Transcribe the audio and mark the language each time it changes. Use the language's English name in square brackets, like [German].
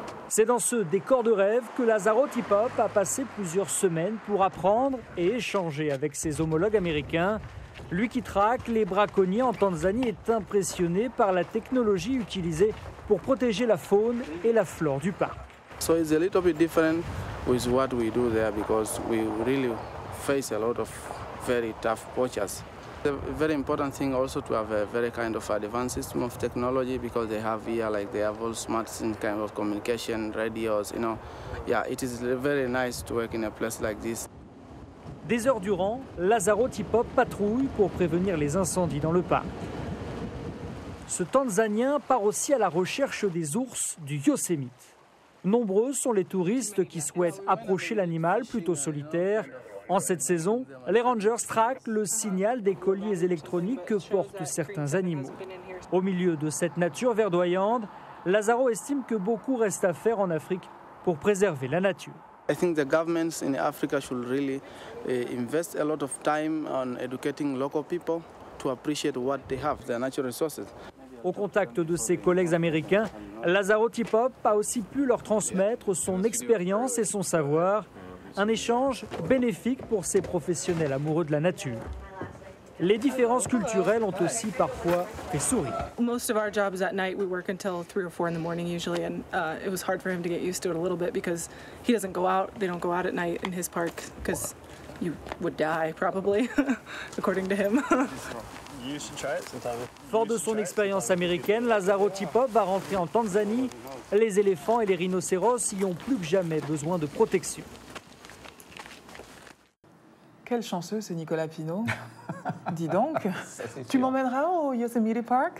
[French] C'est dans ce décor de rêve que Lazaro Otipop a passé plusieurs semaines pour apprendre et échanger avec ses homologues américains. Lui qui traque les braconniers en Tanzanie est impressionné par la technologie utilisée pour protéger la faune et la flore du parc. [English] So it's a little bit different with what we do there because we really face a lot of very tough poachers. It's a very important thing also to have a very kind of advanced system of technology because they have here, like they have all smart things, kind of communication, radios, you know. Yeah, it is very nice to work in a place like this. [French] Des heures durant, Lazaro Otipop patrouille pour prévenir les incendies dans le parc. Ce Tanzanien part aussi à la recherche des ours du Yosemite. Nombreux sont les touristes qui souhaitent approcher l'animal plutôt solitaire. En cette saison, les rangers traquent le signal des colliers électroniques que portent certains animaux. Au milieu de cette nature verdoyante, Lazaro estime que beaucoup reste à faire en Afrique pour préserver la nature. [English] I think the governments in Africa should really invest a lot of time on educating local people to appreciate what they have, their natural resources. [French] Au contact de ses collègues américains, Lazaro Otipop a aussi pu leur transmettre son expérience et son savoir. Un échange bénéfique pour ces professionnels amoureux de la nature. Les différences culturelles ont aussi parfois fait sourire. [English] Most of our jobs at night, we work until 3 or 4 in the morning usually, and it was hard for him to get used to it a little bit because he doesn't go out. They don't go out at night in his park because you would die probably, according to him. [French] Fort de son expérience américaine, Lazaro Tipop va rentrer en Tanzanie. Les éléphants et les rhinocéros y ont plus que jamais besoin de protection. Quel chanceux, c'est Nicolas Pineau. Dis donc, ça, tu m'emmèneras au Yosemite Park,